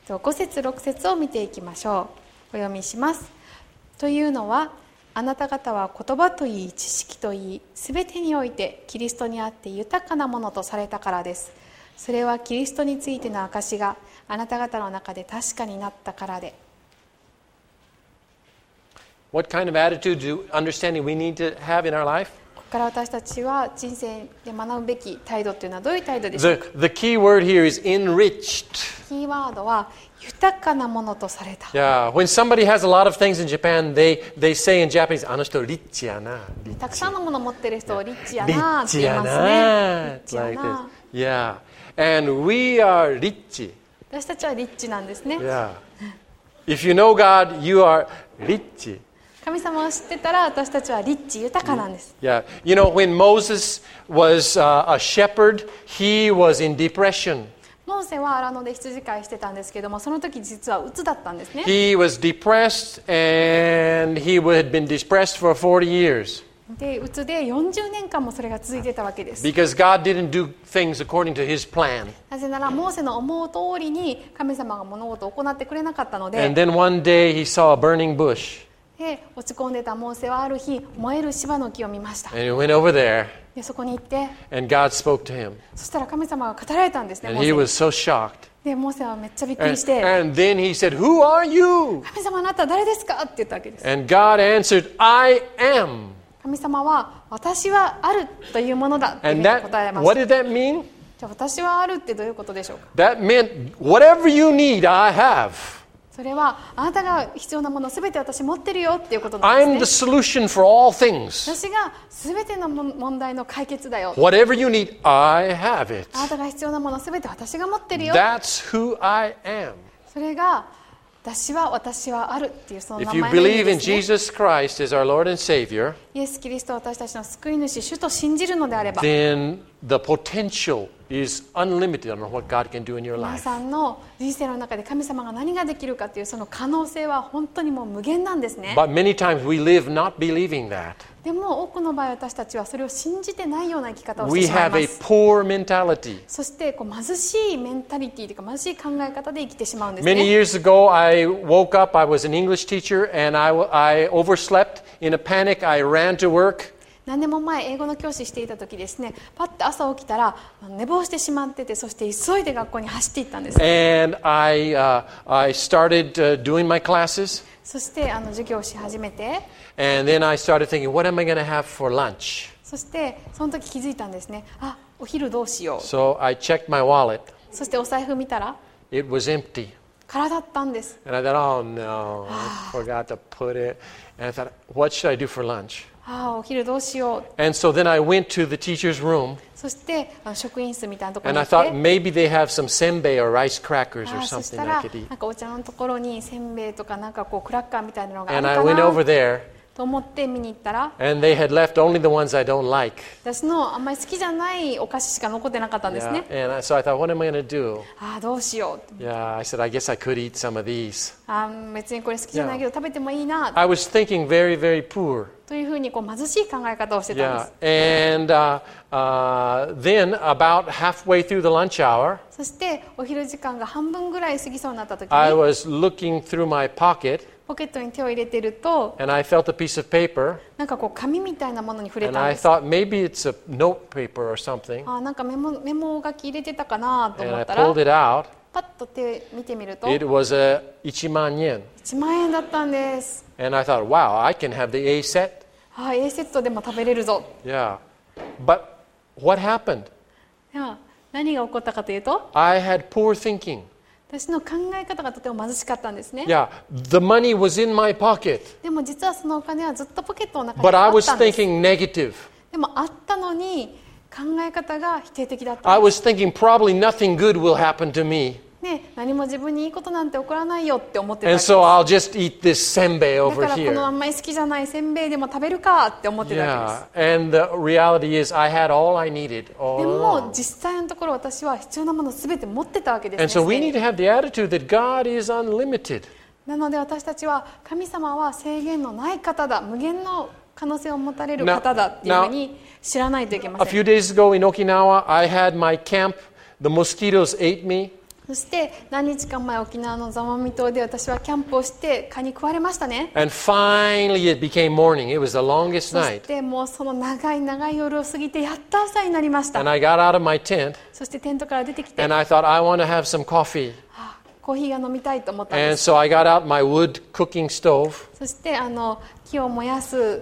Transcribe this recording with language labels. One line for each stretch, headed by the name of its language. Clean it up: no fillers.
Japanese: 5節6節を見ていきましょう。お読みします。というのは、あなた方は言葉といい知識といい全てにおいてキリストにあって豊かなものとされたからです。それはキリストについての証があなた方の中で確かになったからで。
English: What kind of attitude do understanding we need to have in our life?
Japanese: ここから私たちは人生で学ぶべき態度というのはどういう態度でしょうか。
English: The key word here is enriched.
Japanese: キーワードは豊かなものとされた。
English: Yeah, when somebody has a lot of things in Japan, they say in Japanese,
Japanese: あの人リッチやな。たくさんのものを持ってる人をリッチやなって言いますね。リッチやな。
English: Like this. Yeah. And we are rich.
Japanese: 私たちはリッチなんですね。
English: Yeah. If you know God, you are rich.
Japanese: 神様を知ってたら私たちはリッチ、豊かなんです。
English: Yeah. You know, when Moses was a shepherd, he was in depression.
Japanese: モーセはアラノで羊飼いしてたんですけども、その時実は鬱だったんですね。
English: He was depressed and he had been depressed for 40 years.
Japanese: で、鬱で40年間もそれが続いてたわけです。
English: Because God didn't do things according to His plan.
Japanese: なぜならモーセの思う通りに神様が物事を行ってくれなかったので。
English: And then one day he saw a burning bush.
Japanese: で、落ち込んでたモーセはある日燃える芝の木を見ました。
English: And he went over there.
Japanese: でそこに行って、
English: and God spoke to him.
Japanese: そしたら神様が語られたんですね。
English: And he was so shocked.
Japanese: でモーセはめっちゃびっくりして、
English: and then he said, "Who are you?"
Japanese: 神様あなたは誰ですかって言ったわけです。
English: And God answered, "I am."
Japanese: 神様は私はあるというものだって答えました。
English: What did that mean?
Japanese: じゃあ私はあるってどういうことでしょうか。
English: That meant whatever you need, I have.
Japanese: それはあなたが必要なものすべて私持ってるよっていうことなんですね。
English: I'm the solution for all things.
Japanese: 私がすべての問題の解決だよ。
English: Whatever you need, I have it.
Japanese: あなたが必要なものすべて私が持ってるよ。
English: That's who I am.
Japanese: それが私はあるっていうその名前。
English: If you believe in Jesus Christ as our Lord and Savior,
Japanese: イエス・キリストを私たちの救い主、主と信じるのであれば、
English: then the potential is unlimited on what God can do in your life.
Japanese: 皆さんの人生の中で神様が何ができるかっていうその可能性は本当にもう無限なんですね。
English: But many times we live not believing that.
Japanese: でも多くの場合私たちはそれを信じてないような生き方をしてしまいます。
English: We have a poor mentality.
Japanese: そしてこう貧しいメンタリティというか貧しい考え方で生きてしまうんですね。
English: Many years ago, I woke up. I was an English teacher, and I overslept. In a panic, I ran to work.
Japanese: 何年も前英語の教師していた時ですね、パッと朝起きたら寝坊してしまってて、そして急いで学校に走っていったんです。
English: And I started doing my classes.
Japanese: そして授業をし始めて。
English: And then I started thinking, what am I going to have for lunch?
Japanese: そしてその時気づいたんですね。あ、お昼どうしよう。
English: So I checked my wallet.
Japanese: そしてお財布見たら、
English: it was empty.
Japanese: 空だったんです。
English: And I thought, oh no, I forgot to put it. And I thought, what should I do for lunch?
Japanese: ああお昼どうしよう。
English: And so then I went to the teacher's room.
Japanese: そして職員室みたいなところに。
English: And I thought maybe they have some senbei or rice crackers or something that I could eat.
Japanese: なんかお茶のところにせんべいとかなんかこうクラッカーみたいなのがあるかな。
English: And I went over there.
Japanese: と思って見に行ったら。
English: And they had left only the ones I don't like.
Japanese: 私のあんまり好きじゃないお菓子しか残ってなかったんですね。
English: Yeah. And so I thought, what am I going to do?
Japanese: ああどうしよう。
English: Yeah, I said I guess I could eat some of these.
Japanese: ああ別にこれ好きじゃないけど食べてもいいな。
English: I was thinking very very poor.
Japanese: というふうにこう貧しい考え方をしてたんです。
English: Yeah. And, then about halfway through the lunch hour,
Japanese: そしてお昼時間が半分ぐらい過ぎそうになった時に、
English: I was looking through my pocket,
Japanese: ポケットに手を入れてると、
English: and I felt a piece of paper,
Japanese: なんかこう紙みたいなものに触れたんです。
English: And I thought maybe it's a note paper or something.
Japanese: あ、なんかメモ書き入れてたかなと思ったら、
English: and I pulled it out,
Japanese: パッと手見てみると、
English: it was a 1万円。
Japanese: 1万円だったんです。
English: And I thought, wow, I can have the A set.
Japanese: ああ、A セットでも食べれるぞ。
English: Yeah. But what happened?
Japanese: では、何が起こったかというと、
English: I had poor thinking.
Japanese: 私の考え方がとても貧しかったんですね。
English: Yeah. The money was in my pocket.
Japanese: でも実はそのお金はずっとポケットの中にあったんです。
English: But I was thinking negative.
Japanese: でもあったのに、考え方が否定的だったんです。
English: I was thinking probably nothing good will happen to me.
Japanese: ね、何も自分にいいことなんて起こらないよって思ってたんです。
English: And so I'll just eat this senbei over here.
Japanese: だからこのあんまり好きじゃないせんべいでも食べるかって思ってたんです。
English: Yeah. And the reality is I had all I needed all along.
Japanese: でも実際のところ私は必要なものすべて持ってたわけですね。
English: And so we need to have the attitude that God is unlimited.
Japanese: なので私たちは神様は制限のない方だ、無限の可能性を持たれる方だっていうふうに知らないといけません。
English: A few days ago in Okinawa, I had my camp. The mosquitoes ate me.
Japanese: そして何日か前沖縄のザマミ島で私はキャンプをして蚊に食われましたね。
English: And finally it became morning. It was the longest night.
Japanese: そしてもうその長い長い夜を過ぎてやっと朝になりました。
English: And I got out of my tent.
Japanese: そしてテントから出てきて。
English: And I thought I want to have some coffee.
Japanese: コーヒーが飲みたいと思ったんです。
English: And so I got out my wood cooking stove.
Japanese: そしてあの木を燃やす。